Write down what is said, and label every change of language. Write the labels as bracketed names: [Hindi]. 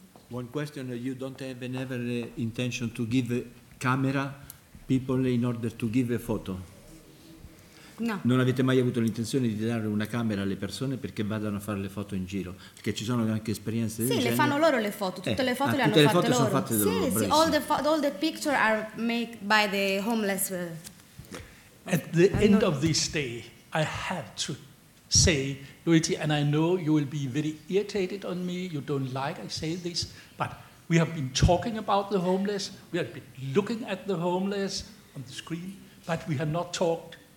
[English] One question, you don't have never the intention to give a camera people in order to give a photo? No. [Italian] Non avete mai avuto l'intenzione di dare una camera alle persone perché vadano a fare le foto in giro? Perché ci sono anche esperienze del genere. Sì, le fanno loro le foto, tutte le foto tutte le hanno foto loro. Sono fatte sì, loro. Sì, sì, [English] all the pictures are made by the homeless. At the end of this day, I have to say, Luigi, and I know you will be very irritated on me, you don't like I say this, but we have been talking about the homeless, we have been looking at the homeless on the screen, but we have not talked